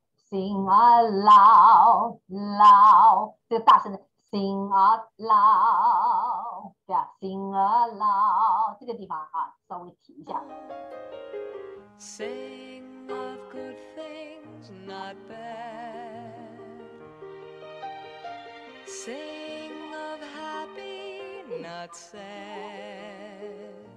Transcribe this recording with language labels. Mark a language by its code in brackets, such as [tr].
[en] Sing out loud, [zh] 这个大声的。 [en] Sing out loud， [zh] 对啊 ，Sing out loud， 这个地方啊，稍微提一下。 [en] Sing of good things, not bad. Sing of happy, not sad.